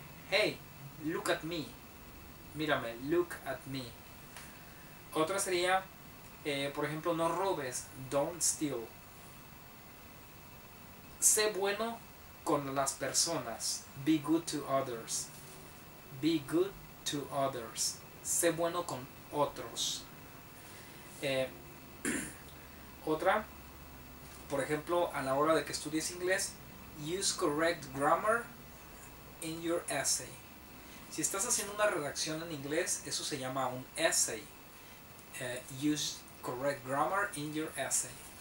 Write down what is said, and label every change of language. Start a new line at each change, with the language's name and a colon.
English: Hey, look at me. Mírame, look at me.
Spanish: Otra sería, por ejemplo, no robes, don't steal. Sé bueno con las personas, be good to others.
English: Be good to others. Sé bueno con otros.
Spanish: Otra, por ejemplo, a la hora de que estudies inglés, use correct grammar in your essay. Si estás haciendo una redacción en inglés, eso se llama un essay.
English: Use correct grammar in your essay.